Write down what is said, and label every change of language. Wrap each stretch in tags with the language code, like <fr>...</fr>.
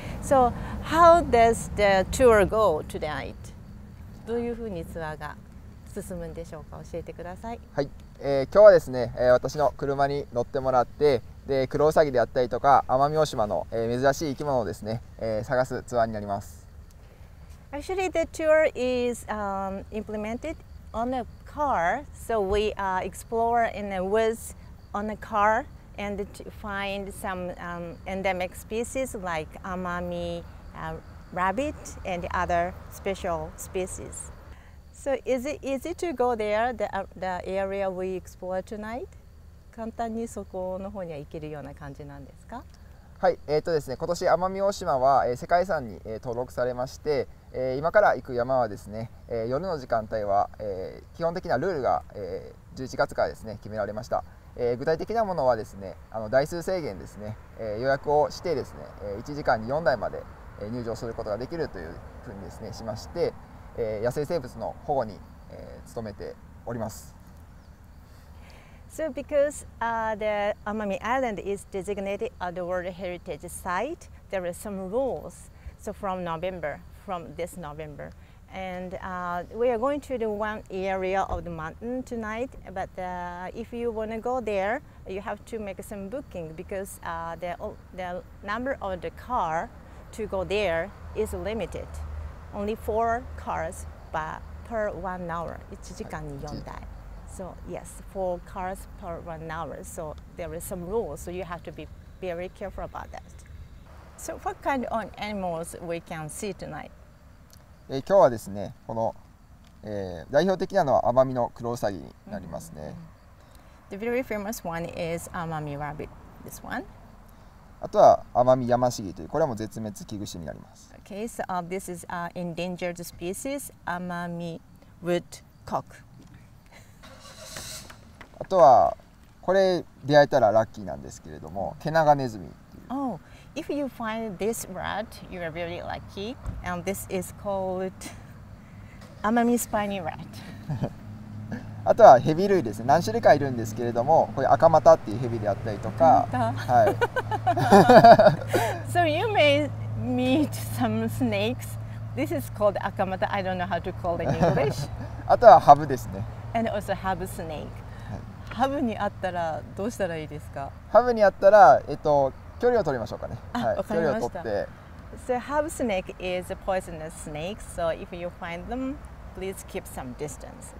<en>So how does the tour go tonight?</en> <ja>どういうふうにツアーが進むんでしょうか。教えてください。はい。今日はですね、私の車に乗ってもらって、でクロウサギであったりとか奄美大島の、珍しい生き物をですね、探すツアーになります。</ja> <en>Actually, the tour is implemented on a car, so we explore in the woods on a car and to find some endemic species like Amami rabbit and other special species. So is it easy to go there, the area we explore tonight?</en> <ja>簡単にそこの方には行けるような感じなんですか？はい、ですね、今年奄美大島は、世界遺産に、登録されまして、今から行く山はですね、夜の時間帯は、基本的なルールが、11月からですね、決められました。具体的なものはですね、台数制限ですね、予約をしてですね、1時間に4台まで入場することができるというふうにですね、しまして、野生生物の保護に、努めております。</ja> <en>So because the Amami Island is designated as the World Heritage Site, there are some rules. So from November, from this November, and we are going to the one area of the mountain tonight. But if you want to go there, you have to make some booking because the number of the car to go there is limited. Only 4 cars per 1 hour.</en> <ja>1時間に4台。</ja> <en>So yes, 4 cars per 1 hour. So there are some rules. So you have to be very careful about that. So what kind of animals we can see tonight?</en> <ja>今日はですね、この、代表的なのは奄美のクロウサギになりますね。</ja> <en>The very famous one is Amami rabbit. This one.</en> <ja>あとは奄美山シギという、これも絶滅危惧種になります。</ja> <en>Okay, so this is an endangered species, Amami woodcock.</en> <ja>あとはこれ出会えたらラッキーなんですけれども、毛長ネズミっていう。</ja> <en>Oh, if you find this rat, you are very lucky. And this is called Amami spiny rat.</en> <ja>あとはヘビ類ですね。何種類かいるんですけれども、これ赤股っていうヘビであったりとか、はい。</ja> <en>So you may meet some snakes. This is called 赤股. I don't know how to call it in English.</en> <ja>あとはハブですね。</ja> <en>And also ハブ snake.</en> <ja>ハブにあったらどうしたらいいですか？ハブにあったら、距離を取りましょうかね。あ、はい、分かりました。距離を取って。</ja> <en>So, harb snake is a poisonous snake. So if you find them, please keep some distance.</en>